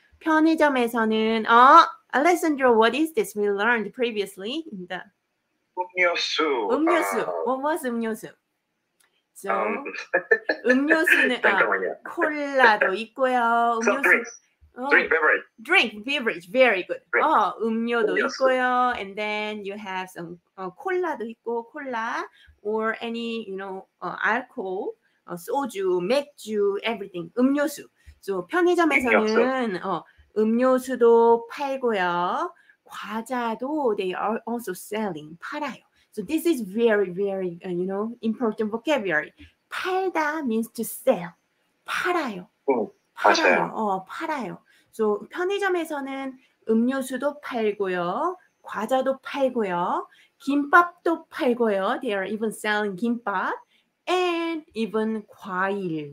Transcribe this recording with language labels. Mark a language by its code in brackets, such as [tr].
[ko] 편의점에서는 [en] Alessandro, what is this we learned previously? In the [ko] 음료수. [en] 음료수. What was 음료수? [ko] So 음료수는 콜라도 있고요. [en] 음료수. Drink, beverage, very good. Drink. [ko] 음료도 [en] yes. [ko] 있고요. [en] And then you have some [ko] 콜라도 있고, [en] 콜라 or any, you know, alcohol, 소주, 맥주, everything. 음료수. [ko] So 편의점에서는 음료수도 팔고요. 과자도 [en] they are also selling, [ko] 팔아요. [en] So this is very, very, you know, important vocabulary. 팔다 means to sell. [ko] 팔아요. 팔아요. 팔아요. So 편의점에서는 음료수도 팔고요, 과자도 팔고요, 김밥도 팔고요. [en] They are even selling 김밥 and even 과일.